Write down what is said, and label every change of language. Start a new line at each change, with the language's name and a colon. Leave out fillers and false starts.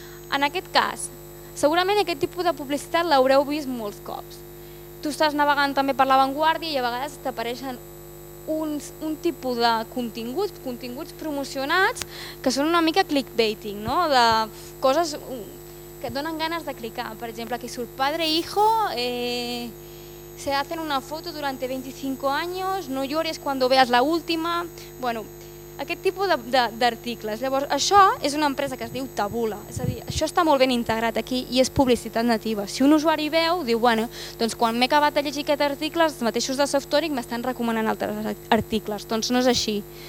Catalan: En aquest cas, segurament aquest tipus de publicitat l'haureu vist molts cops. Tu estàs navegant també per l'avantguàrdia i a vegades t'apareixen un tipus de continguts promocionats que són una mica clickbaiting, no? De coses que et donen ganes de clicar. Per exemple, aquí surt
Spanish: padre, hijo, se hacen una foto durante 25 años, no llores cuando veas la última...
Catalan: Bueno, aquest tipus d'articles. Llavors, això és una empresa que es diu Taboola. És a dir, això està molt ben integrat aquí i és publicitat nativa. Si un usuari veu, diu, bueno, doncs quan m'he acabat de llegir aquest article, els mateixos de Softonic m'estan recomanant altres articles. Doncs no és així.